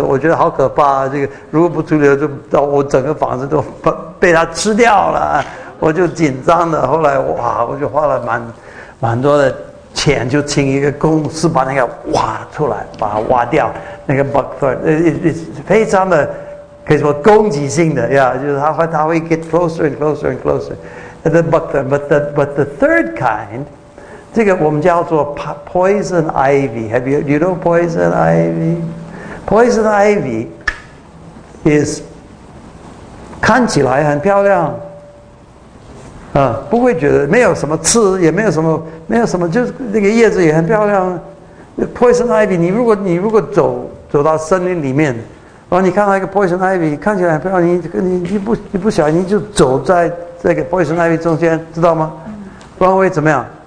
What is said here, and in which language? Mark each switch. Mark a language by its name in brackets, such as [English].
[Chinese] 我觉得好可怕啊！这个如果不处理，就到我整个房子都被它吃掉了。我就紧张的。后来哇，我就花了蛮多的钱，就请一个公司把那个挖出来，把它挖掉。那个 buckthorn 非常的。可以说攻击性的 yeah, 就是它会 [English] get closer and closer [Chinese] and closer. [English] And then but the third kind, [Chinese] 这个我们叫做 [English] poison ivy. Do you know poison ivy? [Chinese] Poison ivy is 看起来很漂亮、不会觉得没有什么刺，也没有什么，就是那个叶子也很漂亮。 Poison ivy, 你如果走到森林里面，然后你看到一个 poison ivy 看起来很漂亮，你不想你就走在这个 poison ivy 中间，知道吗？不然会怎么样？